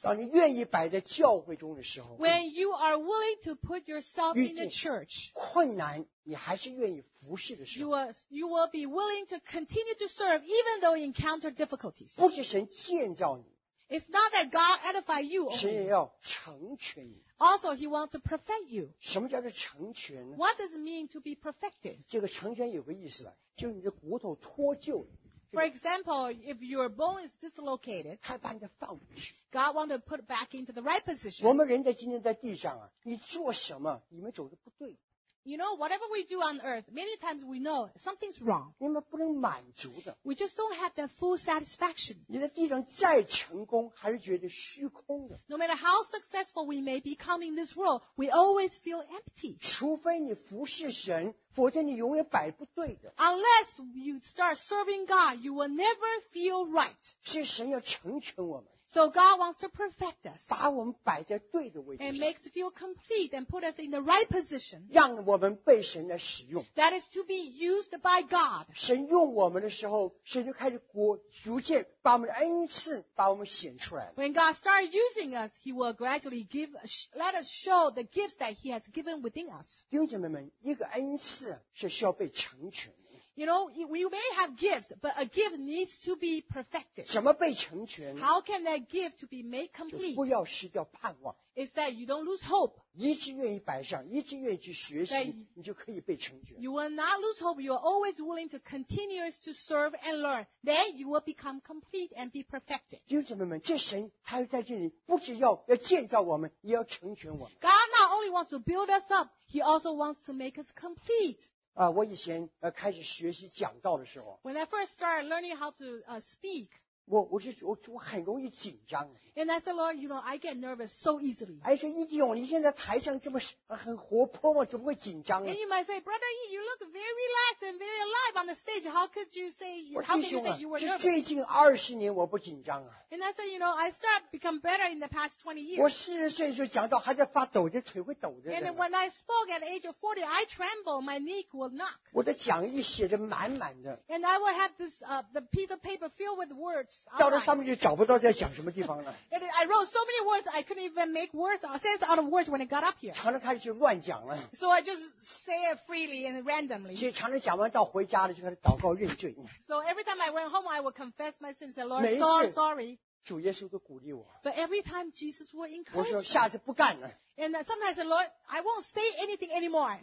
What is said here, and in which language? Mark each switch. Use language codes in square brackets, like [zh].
[zh] 当你愿意摆在教会中的时候。 [en] When you are willing to put yourself in the church. [zh] 困难。你还是愿意服侍的时候 [en] you will be willing to continue to serve even though you encounter difficulties. [zh] 不是神建造你 [en] It's not that God edify you. [zh] 神也要成全你 [en] Also, he wants to perfect you. [zh] 什么叫做成全呢 [en] What does it mean to be perfected? [zh] 这个成全有个意思就是你的骨头脱臼了 [en] For example, if your bone is dislocated, [zh] 他把你放回去 [en] God wants to put it back into the right position. [zh] 我们人在今天在地上啊，你做什么你们走的不对 [en] You know, whatever we do on earth, many times we know something's wrong. [zh] 你们不能满足的。 [en] We just don't have that full satisfaction. [zh] 你在地上再成功，还是觉得虚空的。 [en] No matter how successful we may become in this world, we always feel empty. [zh] 除非你服侍神，否则你永远摆不对的。 [en] Unless you start serving God, you will never feel right. [zh] 是神要成全我们。 [en] So God wants to perfect us. [zh] 把我们摆在对的位置。 [en] And makes us feel complete and put us in the right position. [zh] 让我们被神来使用。 [en] That is to be used by God. [zh] 神用我们的时候，神就开始逐渐把我们的恩赐把我们显出来。 [en] When God starts using us, He will gradually let us show the gifts that He has given within us. [zh] 弟兄姐妹们，一个恩赐是需要被成全。 [en] You know, we may have gifts, but a gift needs to be perfected. [zh] 怎么被成全? [en] How can that gift to be made complete? [zh] 就不要失掉盼望。 [en] It's that you don't lose hope. [zh] 一直愿意摆上，一直愿意去学习，你就可以被成全。 [en] You will not lose hope. You are always willing to continue to serve and learn. Then you will become complete and be perfected. [zh] 弟兄姐妹们，这神他在这里不只要建造我们，也要成全我们。 [en] God not only wants to build us up, He also wants to make us complete. [zh] 我以前开始学习讲道的时候 [en] When I first started learning how to speak [zh] 我很容易紧张 [en] And I said, Lord, you know, I get nervous so easily [zh] 哎，说义弟兄，你现在台上这么很活泼吗？怎么会紧张呢 [en] And you might say, Brother E, you look very relaxed and very alive on the stage How could you say, how can you say you were nervous? [zh] 最近二十年我不紧张啊 [en] And I said, you know, I start become better in the past 20 years [zh] 我四十岁的时候讲道还在发抖，这腿会抖着 [en] And when I spoke at the age of 40, I tremble, my knee will knock [zh] 我的讲义写得满满的 [en] And I will have this the piece of paper filled with words [zh] 到了上面就找不到在讲什么地方了 [en] And I wrote so many words, I couldn't even make words, sense out of words when I got up here [zh] 常常开始就乱讲了 [en] So I just say it freely and randomly [zh] 其实常常讲完到回家了就开始祷告认罪 [en] So every time I went home, I would confess my sins and Lord, so sorry [zh] 主耶稣都鼓励我 [en] But every time Jesus will encourage [zh] 我说下次不干了 [en] And sometimes the Lord I won't say anything anymore